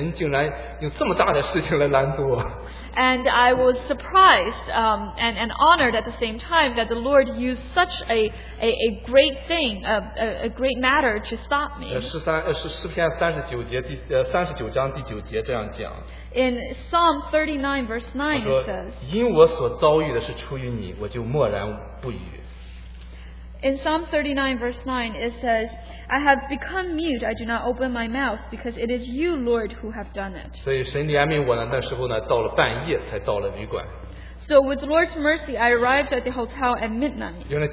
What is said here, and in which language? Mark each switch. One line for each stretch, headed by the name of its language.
Chinese: 觉得有点受宠若惊啊，神竟然用这么大的事情来拦阻我。
English: And I was surprised and honored at the same time that the Lord used such a great thing, a great matter to stop me.
Chinese: 诗篇39章第9节这样讲。
English: In Psalm 39, verse 9,
Chinese: 他说,
English: it says,
Chinese: 因我所遭遇的是出于你，我就默然不语。
English: In Psalm 39, verse 9, it says, I have become mute, I do not open my mouth, because it is you, Lord, who have done it.
Chinese: 所以神怜悯我呢，那时候呢，到了半夜才到了旅馆。
English: So with Lord's mercy, I arrived at the hotel at midnight.